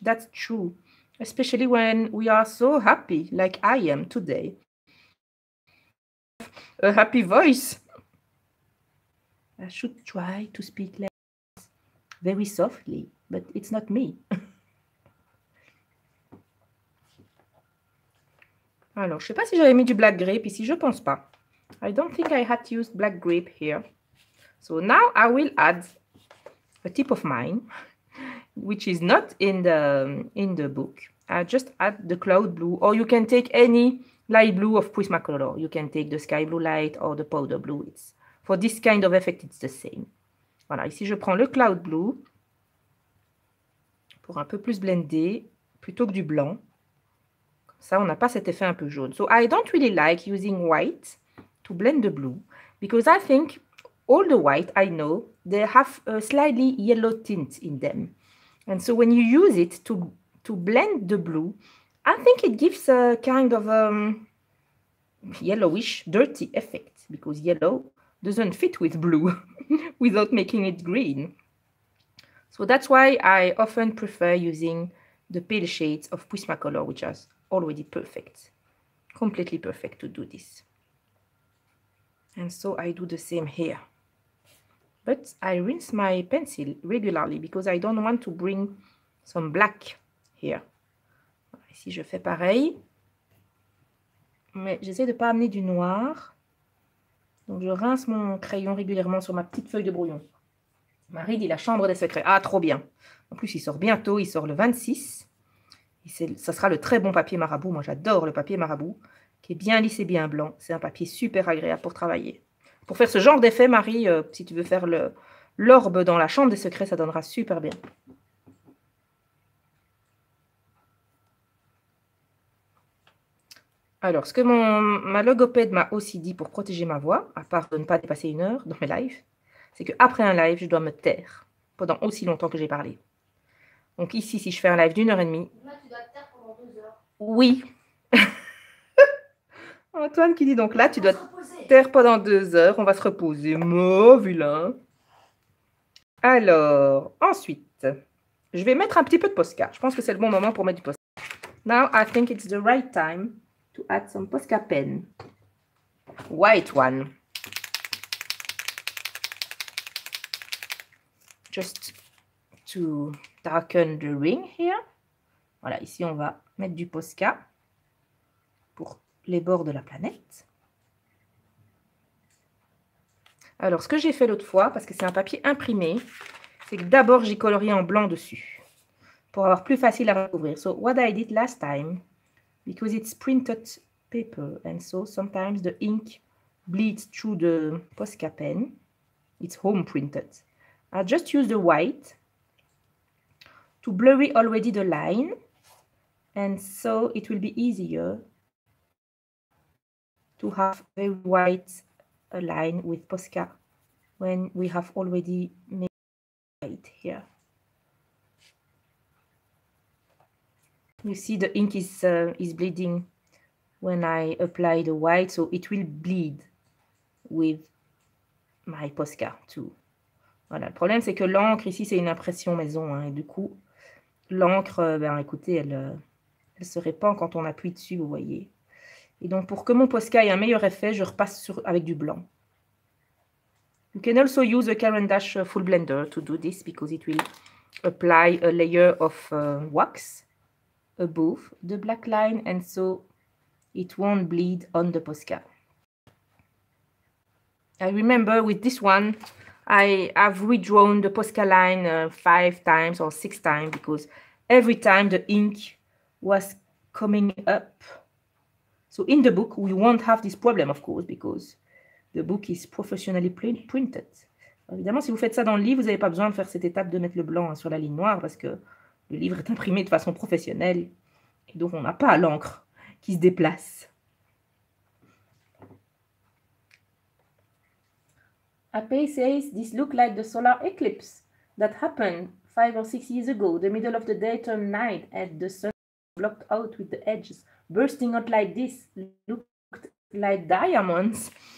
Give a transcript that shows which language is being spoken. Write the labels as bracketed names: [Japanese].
[English] That's true, especially when we are so happy, like I am today. A happy voice. I should try to speak less, very softly, but it's not me. [French] Alors, je ne sais pas si j'avais mis du black grape ici, je ne pense pas. [English] I don't think I had used black grape here. So now I will add a tip of mine, which is not in the book. I just add the cloud blue, or you can take any light blue of Prismacolor. You can take the sky blue light or the powder blue. It's, for this kind of effect, it's the same. [French] Voilà, ici je prends le cloud blue pour un peu plus blender plutôt que du blanc. Comme ça, on n'a pas cet effet un peu jaune. [English] So I don't really like using white to blend the blue, because I think all the white I know, they have a slightly yellow tint in them. And so when you use it to blend the blue, I think it gives a kind of yellowish, dirty effect, because yellow doesn't fit with blue without making it green. So that's why I often prefer using the pale shades of Prismacolor, which are already perfect, completely perfect to do this. And so I do the same here. But I rinse my pencil regularly because I don't want to bring some black here. [French] Ici, je fais pareil. Mais j'essaie de ne pas amener du noir. Donc, je rince mon crayon régulièrement sur ma petite feuille de brouillon. Marie dit la chambre des secrets. Ah, trop bien. En plus, il sort bientôt. Il sort le 26. Et c'est, ça sera le très bon papier marabout. Moi, j'adore le papier marabout. Qui est bien lisse et bien blanc. C'est un papier super agréable pour travailler. Pour faire ce genre d'effet, Marie, si tu veux faire l'orbe dans la chambre des secrets, ça donnera super bien. Alors, ce que ma logopède m'a aussi dit pour protéger ma voix, à part de ne pas dépasser une heure dans mes lives, c'est qu'après un live, je dois me taire pendant aussi longtemps que j'ai parlé. Donc ici, si je fais un live d'une heure et demie... Là, tu dois te taire pendant 2 heures. Oui. Antoine qui dit donc là, tu dois te taire pendant 2 heures. On va se reposer. Mauvais vilain. Alors, ensuite, je vais mettre un petit peu de Posca. Je pense que c'est le bon moment pour mettre du Posca. [English] Now, I think it's the right time to add some Posca pen. White one. Just to darken the ring here. [French] Voilà, ici on va mettre du Posca pour les bords de la planète. Alors, ce que j'ai fait l'autre fois, parce que c'est un papier imprimé, c'est que d'abord j'ai colorié en blanc dessus pour avoir plus facile à recouvrir. [English] So, what I did last time, because it's printed paper and so sometimes the ink bleeds through the Posca pen, it's home printed. I just use the white to blurry already the line and so it will be easier to have a very white line with Posca when we have already made white here. You see the ink is bleeding when I apply the white, so it will bleed with my Posca too. [French] Voilà, le problème, c'est que l'encre, ici, c'est une impression maison. Hein, et du coup, l'encre, ben, écoutez, elle se répand quand on appuie dessus, vous voyez. Et donc, pour que mon Posca ait un meilleur effet, je repasse avec du blanc. [English] You can also use a Caran d'Ache full blender to do this, because it will apply a layer of wax above the black line, and so it won't bleed on the Posca. I remember with this one, I have redrawn the Posca line 5 times or 6 times because every time the ink was coming up. So in the book, we won't have this problem, of course, because the book is professionally printed. [French] Évidemment, si vous faites ça dans le livre, vous n'avez pas besoin de faire cette étape de mettre le blanc sur la ligne noire parce que le livre est imprimé de façon professionnelle. Et donc, on n'a pas l'encre qui se déplace. [English] Apei says, this look like the solar eclipse that happened 5 or 6 years ago, the middle of the day turned night and the sun blocked out with the edges, bursting out like this, looked like diamonds.